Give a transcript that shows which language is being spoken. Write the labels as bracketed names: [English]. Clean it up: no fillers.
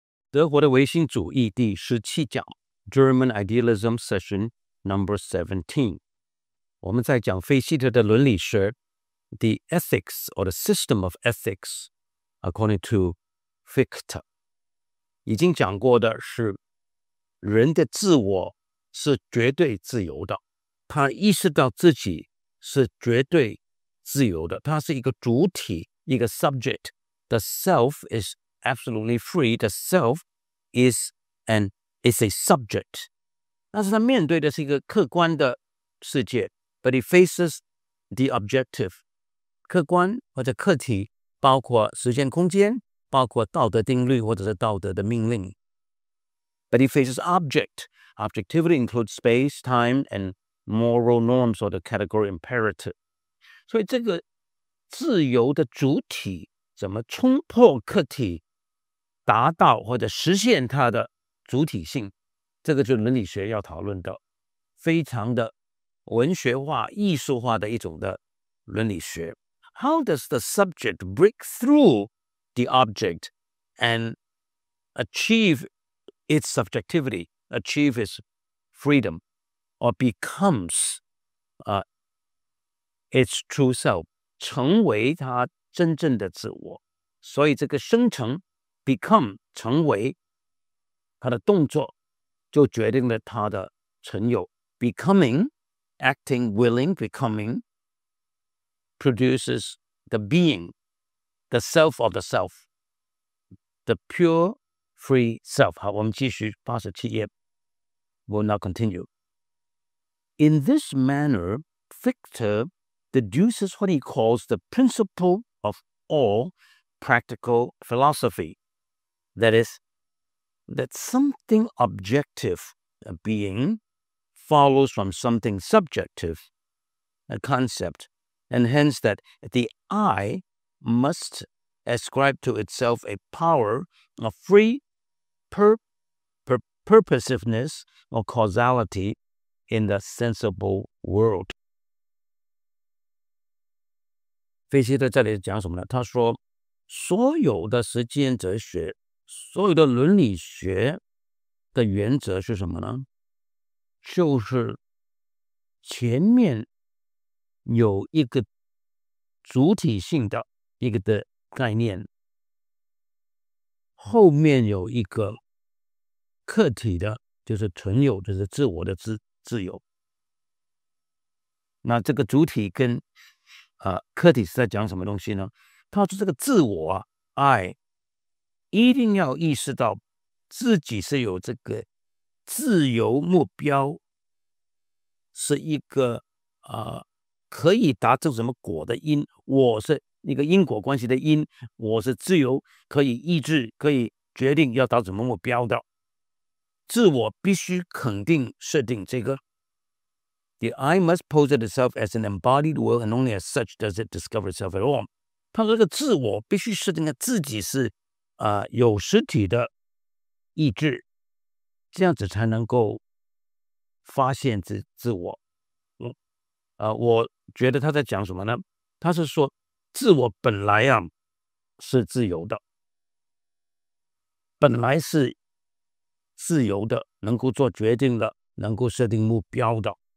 [Chinese] 德国的唯心主义第十七讲 [English] German Idealism Session Number 17。 [Chinese] 我们在讲费希特的伦理学 [English] The Ethics or the System of Ethics According to Fichte。 [Chinese] 已经讲过的是人的自我是绝对自由的，他意识到自己是绝对自由的，他是一个主体，一个 subject。 [English] The self is absolutely free. The self is a subject. [Chinese] 但是他面对的是一个客观的世界， [English] But he faces the objective. [Chinese] 客观或者客体包括时间空间，包括道德定律或者是道德的命令。 [English] But he faces object. Objectivity includes space, time, and moral norms or the category imperative. [Chinese] 所以这个自由的主体怎么冲破客体达到或者实现它的主体性，这个就是伦理学要讨论的非常的文学化艺术化的一种的伦理学。 [English] How does the subject break through the object and achieve its subjectivity, achieve its freedom, or becomes its true self, [Chinese] 成为它真正的自我。所以这个生成become 成为，他的动作就决定了他的成有。 [English] Becoming, acting, willing, becoming produces the being, the self of the self, the pure, free self. [Chinese] 好，我们继续87页。 [English] We'll now continue. In this manner, Fichte deduces what he calls the principle of all practical philosophy. That is, that something objective, a being, follows from something subjective, a concept, and hence that the I must ascribe to itself a power of free purposiveness or causality in the sensible world. [Chinese] 费希特这里讲什么呢？他说，所有的实践哲学所有的伦理学的原则是什么呢？就是前面有一个主体性的一个的概念，后面有一个客体的，就是存有，就是自我的 自由。那这个主体跟客体是在讲什么东西呢？他说这个自我啊 I一定要意识到自己是有这个自由目标，是一个可以达成什么果的因，我是一个因果关系的因，我是自由可以意志可以决定要达成什么目标的。自我必须肯定设定这个 [English] The I must posit itself as an embodied will and only as such does it discover itself at all. [Chinese] 他说这个自我必须设定自己是有实体的意志，这样子才能够发现 自我、我觉得他在讲什么呢？他是说自我本来啊是自由的，本来是自由的，能够做决定的，能够设定目标的，